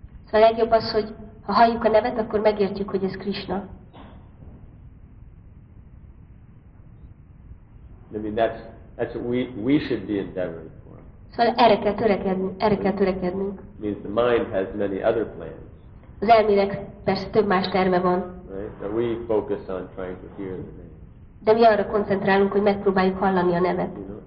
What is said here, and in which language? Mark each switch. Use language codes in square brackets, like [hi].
[hu] So a legjobb az, hogy ha halljuk a nevet, akkor megértjük, hogy ez Krishna. [en] I mean that's what we should be endeavoring for. [hu] So erre kell törekednünk. [en] Means the mind has many other plans. [hu] Az elmének persze több más terve van. [en] Right? So we focus on trying to hear the name. [hu] De mi arra koncentrálunk, hogy megpróbáljuk hallani a nevet.